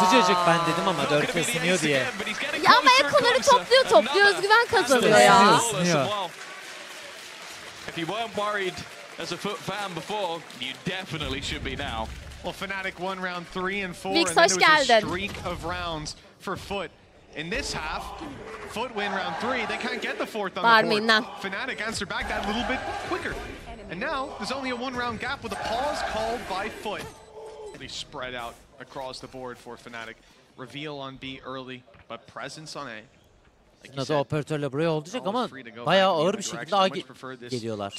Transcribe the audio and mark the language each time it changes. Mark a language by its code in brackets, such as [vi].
[tr] Oğlum sıcacık ben dedim ama Durka ısınıyor diye. Ya ama ekoları topluyor topluyor özgüven kazanıyor ya. Isınıyor. [en] If you weren't worried as a Foot fan before, you definitely should be now. Well, Fnatic won round 3 and 4, and then there was a streak of rounds for Foot. In this half, Foot win round 3. They can't get the fourth on the board. Fnatic answer back that little bit quicker, and now there's only a one round gap with a pause called by Foot. They spread out across the board for Fnatic. Reveal on B early, but presence on A. [tr] Nasıl like operatörle buraya olacak ama bayağı ağır bir şekilde ağa geliyorlar.